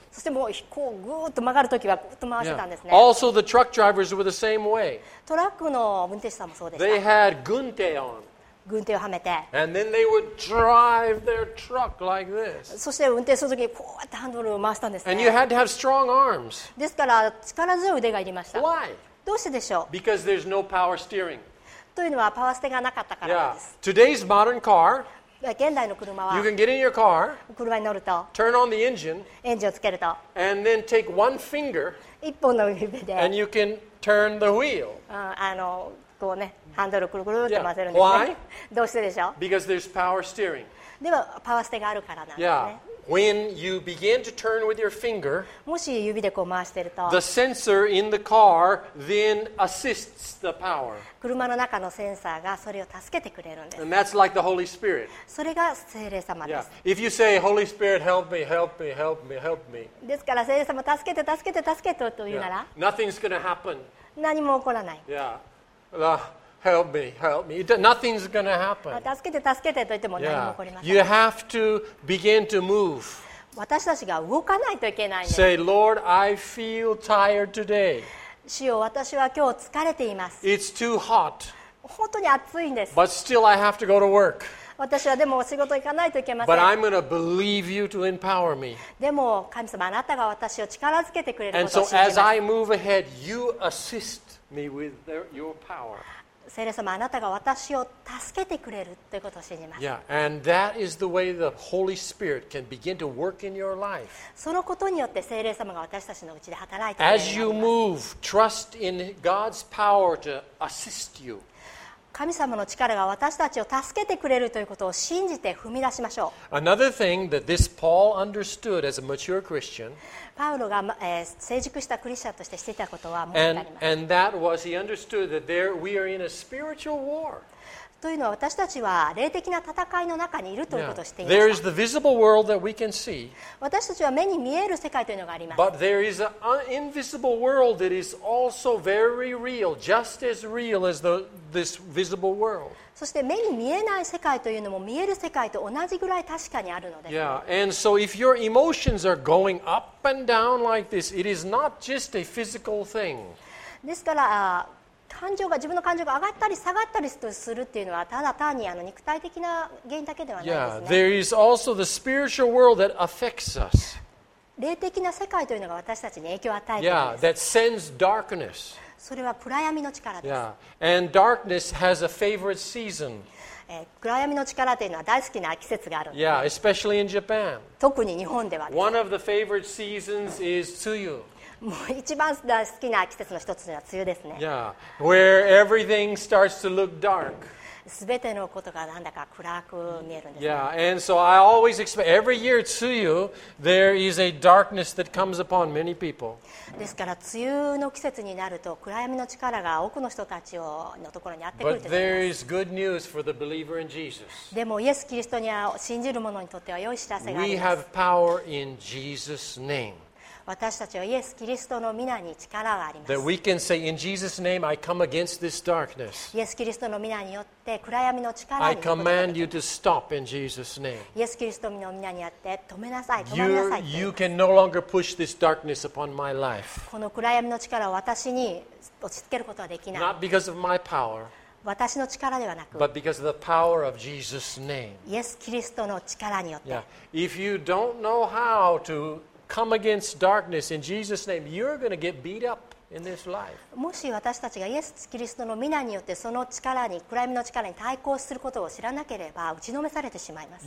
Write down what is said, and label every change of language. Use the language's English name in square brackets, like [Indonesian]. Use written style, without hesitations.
[Japanese] そしてもうこうぐーっと曲がるときはぐーっと回してたんですね。 [English] Yeah. Also, the truck drivers were the same way. [Japanese] トラックの運転手さんもそうでした。 [English] They had 軍手 on. [Japanese] 軍手をはめて、 [English] And then they would drive their truck like this. [Japanese] そして運転するときにこうやってハンドルを回したんですね。 [English] And you had to have strong arms. [Japanese] ですから力強い腕がいりました。 [English] Why? [Japanese] どうしてでしょう? [English] Because there's no power steering. [Japanese] というのはパワーステがなかったからです。 [English] Yeah. Today's modern car, [Japanese] 現代の車は、 [English] you can get in your car, [Japanese] 車に乗ると、 [English] turn on the engine, [Japanese] エンジンをつけると、 [English] and then take one finger, [Japanese] 一本の指で、 [English] and you can turn the wheel. [Japanese] こうね、ハンドルをくるくるって混ぜるんですね。 [English] Yeah. Why? [Japanese] どうしてでしょう? [English] Because there's power steering. [Japanese] ではパワーステがあるからなんですね。 [English] Yeah. When you begin to turn with your finger, [Japanese] もし指でこう回してると、 [English] the sensor in the car then assists the power. [Japanese] 車の中のセンサーがそれを助けてくれるんです。 [English] And that's like the Holy Spirit. [Japanese] それが聖霊様です。 [English] Yeah. If you say, Holy Spirit, help me, help me, help me, help me. [Japanese] ですから聖霊様、助けて、助けて、助けてと言うなら、 [English] yeah. Nothing's gonna happen. [Japanese] 何も起こらない。 [English] Yeah. Help me, help me. Nothing's going to happen. [Japanese] 助けて、助けてと言っても何も起こりません。 [English] Yeah. You have to begin to move. [Japanese] 私たちが動かないといけないね。 [English] Say, Lord, I feel tired today. [Japanese] 主よ、私は今日疲れています。 [English] It's too hot. [Japanese] 本当に暑いんです。 [English] But still, I have to go to work. [Japanese] 私はでも仕事行かないといけません。 [English] But I'm going to believe you to empower me. [Japanese] でも神様、あなたが私を力づけてくれることを信じます。 [English] And so as I move ahead, you assist. Me with your power. [Japanese] 聖霊様、あなたが私を助けてくれるということを信じます。 [English] Yeah, and that is the way the Holy Spirit can begin to work in your life. [Japanese] そのことによって聖霊様が私たちのうちで働いてくれる。 [English] As you move, trust in God's power to assist you. [Japanese] 神様の力が私たちを助けてくれるということを信じて踏み出しましょう。 [English] Another thing that this Paul understood as a mature Christian. [Japanese] パウロが、成熟したクリスチャンとしてしていたことはもう [English] and that was, he understood that there, we are in a spiritual war. [Japanese] というのは私たちは霊的な戦いの中にいるということをしていました [English] There is the visible world that we can see. [Japanese] 私たちは目に見える世界というのがあります。 [English] But there is an invisible world that is also very real, just as real as this visible world. [Japanese] そして目に見えない世界というのも見える世界と同じぐらい確かにあるのです。 [English] Yeah, and so if your emotions are going up and down like this, it is not just a physical thing. [Japanese] ですから、感情が自分の感情が上がったり下がったりするっていうのはただ単に肉体的な原因だけではないですね。 [English] Yeah, there is also the spiritual world that affects us. [Japanese] 霊的な世界というのが私たちに影響を与えています。 [English] Yeah, that sends darkness. [Japanese] それは暗闇の力です。 [English] Yeah. And darkness has a favorite season. [Japanese] 暗闇の力というのは大好きな季節があるんです。 [English] Yeah, especially in Japan. [Japanese] 特に日本ではです。 [English] One of the favorite seasons is 梅雨。 [Japanese] もう一番好きな季節の一つには梅雨ですね。 [English] Yeah. Where everything starts to look dark. [Japanese] 全てのことがなんだか暗く見えるんです、ね。 [English] Yeah. And so I always expect every year 梅雨 there is a darkness that comes upon many people. [Japanese] ですから梅雨の季節になると暗闇の力が多くの人たちのところにやってくると思います。 [English] But there is good news for the believer in Jesus. [Japanese] でもイエス・キリストには信じる者にとっては良い知らせがあります。 [English] We have power in Jesus' name. [Japanese] 私たちはイエス・キリストの名に力があります。 [English] That we can say in Jesus' name I come against this darkness. [Japanese] イエス・キリストの名によって暗闇の力に [English] I command you to stop in Jesus' name. [Japanese] イエス・キリストの名によって止めなさい、止まりなさい。 [English] You can no longer push this darkness upon my life. [Japanese] この暗闇の力を私に落ち着けることはできない。 [English] Not because of my power. [Japanese] 私の力ではなく [English] But because of the power of Jesus' name. [Japanese] イエス・キリストの力によって。 [English] Yeah. If you don't know how to come against darkness in Jesus' name, you're going to get beat up. in this life. [Japanese] もし私たちがイエス・キリストの御名によってその力に暗闇の力に対抗することを知らなければ打ちのめされてしまいます。